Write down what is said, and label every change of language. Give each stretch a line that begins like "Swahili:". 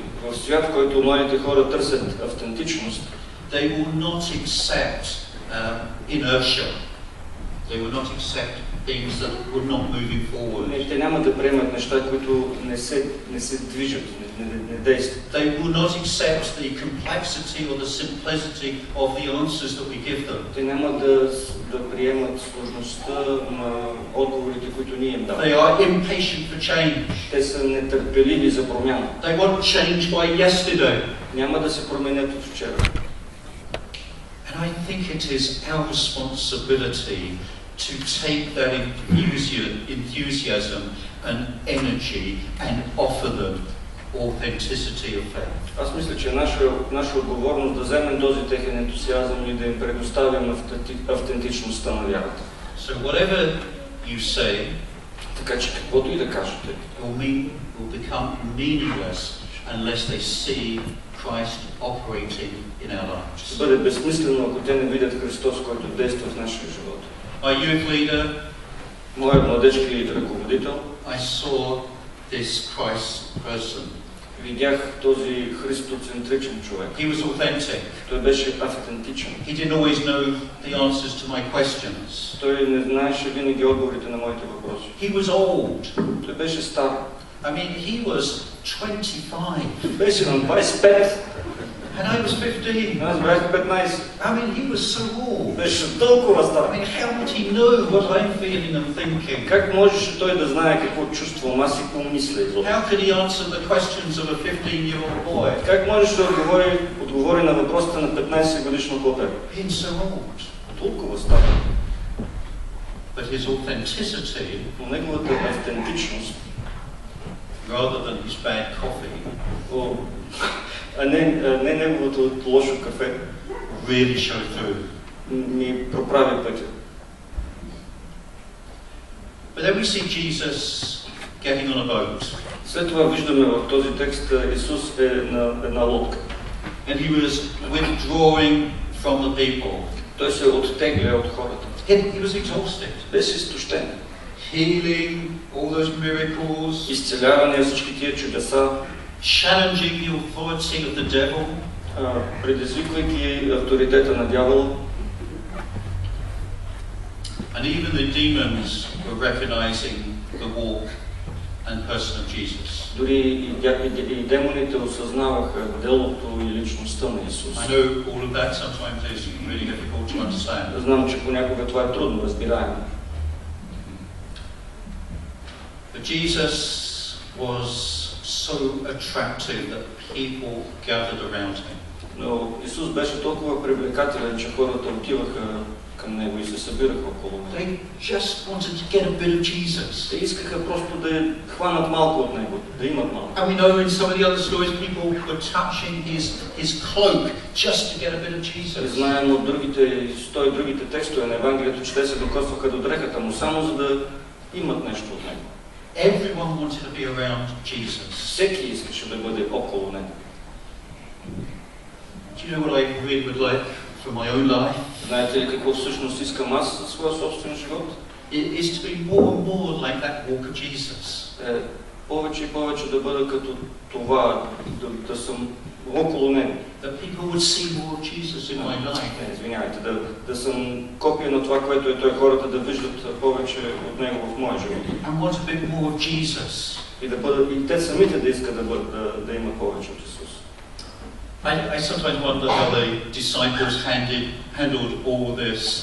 Bulgarian: в свят, в който младите хора търсят автентичност,
English: they will not accept inertia. They will not accept things that were not moving forward.
Bulgarian: Те няма да приемат неща, които не се движат, не действат.
English: They will not accept the complexity or the simplicity of the answers that we give them.
Bulgarian: Те няма да приемат сложността на отговорите, които ние им даваме.
English: They are impatient for change.
Bulgarian: Те са нетърпеливи за промяна.
English: They want change by yesterday.
Bulgarian: Няма да се променят от вчера.
English: And I think it is our responsibility to take that enthusiasm and energy and offer them authenticity of faith.
Bulgarian: Аз мисля, че наша отговорност да вземем този техен ентусиазъм и да им предоставим автентичността на вярата.
English: So whatever you say,
Bulgarian: така че каквото и да кажете,
English: will become meaningless unless they see Christ operating in our lives.
Bulgarian: Ще бъде безсмислено, ако те не видят Христос, който действа в нашия живот.
English: My youth leader,
Bulgarian: моят младежки ръководител,
English: I saw this Christ person.
Bulgarian: Видях този христоцентричен човек.
English: He was authentic.
Bulgarian: Той беше автентичен.
English: He didn't always know the answers to my questions.
Bulgarian: Той не знаеше винаги отговорите на моите въпроси.
English: He was old.
Bulgarian: Той беше стар.
English: I mean, he was 25.
Bulgarian: Беше на 25.
English: And I was 15.
Bulgarian: Аз бях 15.
English: I mean, he was so old.
Bulgarian: Беше толкова стар.
English: I mean, how would he know what I'm feeling and thinking?
Bulgarian: Как можеше той да знае какво чувствам аз и какво мисля?
English: How could he answer the questions of a 15-year-old boy?
Bulgarian: Как можеше да отговори на въпросите на 15-годишно дете?
English: Being so old.
Bulgarian: Толкова стар.
English: But his authenticity,
Bulgarian: но неговата автентичност,
English: rather than his bad coffee,
Bulgarian: не неговото лошо кафе,
English: really show through,
Bulgarian: ни проправи пътя.
English: But then we see Jesus getting on a boat.
Bulgarian: След това виждаме в този текст Исус е на една лодка.
English: And he was withdrawing from the people.
Bulgarian: Той се оттегля от хората.
English: He was exhausted.
Bulgarian: Беше изтощен.
English: Healing all those miracles.
Bulgarian: Изцеляване всички тия чудеса.
English: Challenging the authority of the devil.
Bulgarian: Предизвиквайки авторитета на дявола.
English: And even the demons were recognizing the walk and person of Jesus.
Bulgarian: Дори и демоните осъзнаваха делото и личността на Исус.
English: I know all of that sometimes is really difficult to understand.
Bulgarian: Знам, че понякога това е трудно разбираемо.
English: But Jesus was so attractive that people gathered around him.
Bulgarian: Но Исус беше толкова привлекателен, че хората отиваха към него и се събираха около него.
English: They just wanted to get a bit of Jesus.
Bulgarian: Те искаха просто да хванат малко от него, да имат малко.
English: And we know in some of the other stories people were touching his cloak just to get a bit of Jesus.
Bulgarian: Знаем от другите истории, другите текстове на Евангелието, че те се докосваха до дрехата му само за да имат нещо от него.
English: Everyone wanted to be around Jesus.
Bulgarian: Всеки искаше да бъде около него.
English: Do you know what I really would like for my own life?
Bulgarian: Знаете ли какво всъщност искам аз за своя собствен живот?
English: It is to be more and more like that walk of Jesus.
Bulgarian: повече и повече да бъда като това, да съм около него.
English: That people would see more Jesus in my life.
Bulgarian: Не, извинявайте, да съм копия на това, което е той, хората да виждат повече от него в моя живот.
English: And want a bit more Jesus.
Bulgarian: И да бъда, и те самите да искат да има повече от Исус.
English: I sometimes wonder how the disciples handled all this.